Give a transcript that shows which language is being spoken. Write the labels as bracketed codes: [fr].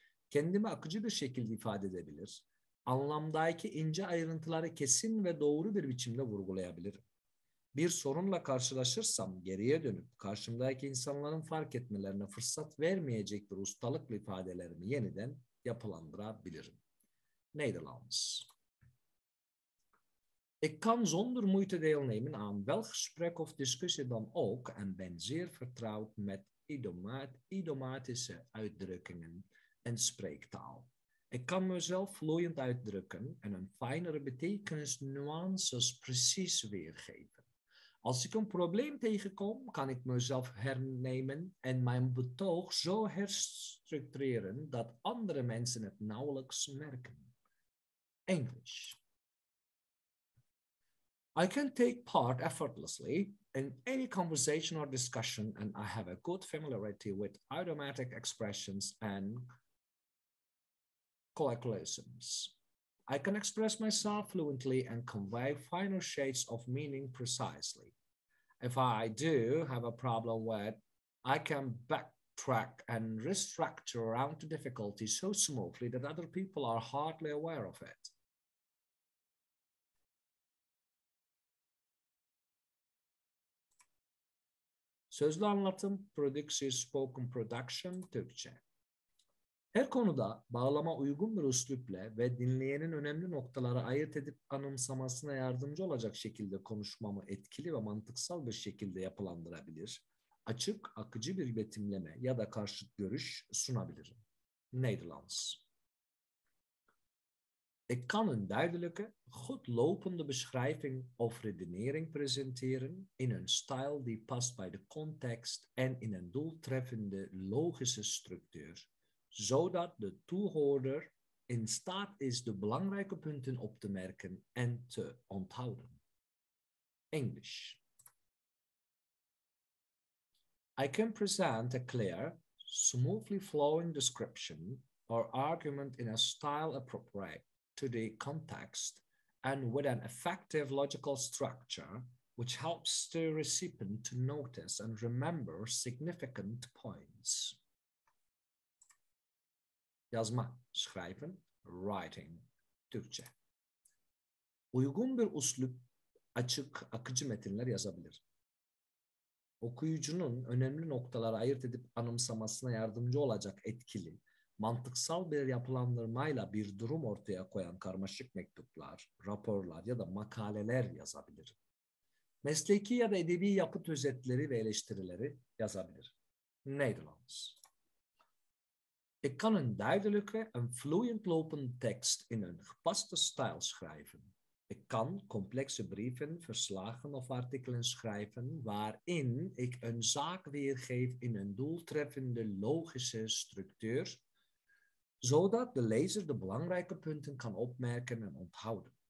[tr] Kendimi akıcı bir şekilde ifade edebilir. Anlamdaki ince ayrıntıları kesin ve doğru bir biçimde vurgulayabilirim. Bir sorunla karşılaşırsam geriye dönüp karşımdaki insanların fark etmelerine fırsat vermeyecek bir ustalıkla ifadelerimi yeniden yapılandırabilirim. [nl] Nederlands. Ik kan zonder moeite deelnemen aan welk gesprek of discussie dan ook en ben zeer vertrouwd met idiomatische uitdrukkingen en spreektaal. Ik kan mezelf vloeiend uitdrukken en een fijnere betekenis nuances precies weergeven. Als ik een probleem tegenkom, kan ik mezelf hernemen en mijn betoog zo herstructureren dat andere mensen het nauwelijks merken. [en] English. I can take part effortlessly in any conversation or discussion, and I have a good familiarity with idiomatic expressions and colloquialisms. I can express myself fluently and convey finer shades of meaning precisely. If I do have a problem with, I can backtrack and restructure around the difficulty so smoothly that other people are hardly aware of it. [tr] Sözlü anlatım, prodüksiyon, [en] spoken production, [tr] Türkçe. Her konuda bağlama uygun bir üsluple ve dinleyenin önemli noktaları ayırt edip anımsamasına yardımcı olacak şekilde konuşmamı etkili ve mantıksal bir şekilde yapılandırabilir, açık, akıcı bir betimleme ya da karşıt görüş sunabilirim. [nl] Nederlands. Ik kan een duidelijke, goed lopende beschrijving of redenering presenteren in een stijl die past bij de context en in een doeltreffende logische structuur, zodat de toehoorder in staat is de belangrijke punten op te merken en te onthouden. [en] English. I can present a clear, smoothly flowing description or argument in a style appropriate to the context and with an effective logical structure, which helps the recipient to notice and remember significant points. [tr] Yazma, schrijven, writing, Türkçe. Uygun bir uslup, açık, akıcı metinler yazabilir. Okuyucunun önemli noktaları ayırt edip anımsamasına yardımcı olacak etkili, mantıksal bir yapılandırmayla bir durum ortaya koyan karmaşık mektuplar, raporlar ya da makaleler yazabilir. Mesleki ya da edebi yapıt özetleri ve eleştirileri yazabilir. [nl] Netherlands. Ik kan een duidelijke en fluent lopende tekst in een gepaste stijl schrijven. Ik kan complexe brieven, verslagen of artikelen schrijven waarin ik een zaak weergeef in een doeltreffende logische structuur, zodat de lezer de belangrijke punten kan opmerken en onthouden.